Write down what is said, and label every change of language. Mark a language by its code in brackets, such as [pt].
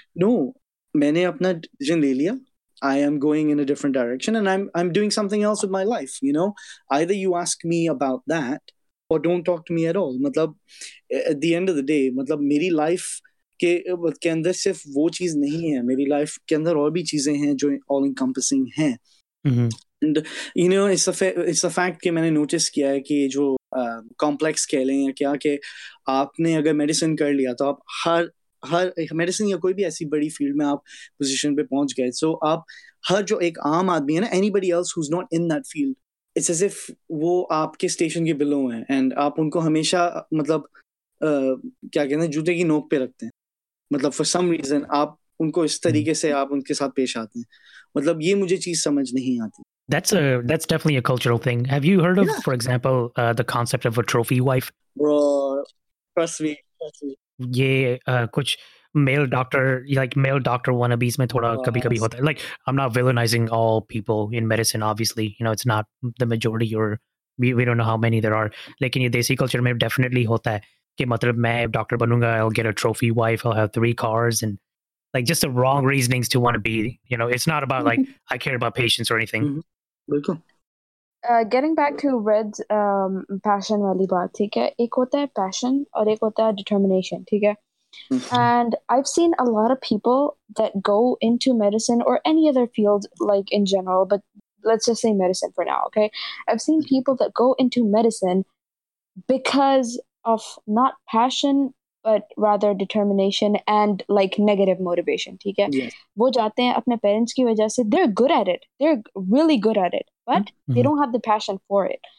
[en] No, [hi] maine apna decision le liya, [en] I am going in a different direction and I'm doing something else with my life, you know. Either you ask me about that or don't talk to me at all. [hi] Matlab [en] at the end of the day, [hi] matlab meri life के अंदर सिर्फ वो चीज नहीं है, मेरी life के अंदर और भी चीजें हैं जो [en] all encompassing [hi] हैं. [en] and you know, it's a fact [hi] कि मैंने नोटिस किया है कि जो कॉम्प्लेक्स कह लें या क्या, कि आपने अगर मेडिसिन कर लिया तो आप हर मेडिसिन या कोई भी ऐसी बड़ी फील्ड में आप पोजीशन पे पहुंच गए, सो आप हर जो एक आम आदमी है ना, [en] anybody else who is not in that field, it's as if [hi] वो आपके स्टेशन के बिलो हैं एंड आप उनको हमेशा मतलब क्या कहते हैं, जूते की नोक पे रखते हैं. मतलब [en] for some reason [hi] आप उनको इस तरीके से आप उनके साथ पेश आते हैं, मतलब ये मुझे चीज समझ नहीं आती. [en] That's definitely a cultural thing. Have you heard of, yeah, for example, the concept of a trophy wife? Bro, trust me. [hi] ये कुछ male doctor, [en] like male doctor wannabes [hi] में थोड़ा कभी कभी होता है. [en] Like, I'm not villainizing all people in medicine, obviously. You know, it's not the majority or we don't know how many there are. [hi] लेकिन ये देसी culture में definitely होता है. कि मतलब मैं डॉक्टर बनूंगा, [en] I'll get a trophy wife, I'll have three cars, and like just the wrong reasonings to want to be, you know, it's not about like I care about patients or anything. Getting back to Red's passion [hi] वाली बात, ठीक है, एक होता है passion और एक होता है determination, ठीक है. [en] And I've seen a lot of people that go into medicine or any other field like in general, but let's just say medicine for now, okay. I've seen people that go into medicine because of not passion but rather determination and like negative motivation, [hi] theek hai, wo jaate hain apne parents ki wajah se, [en] they're good at it, they're really good at it, but they don't have the passion for it.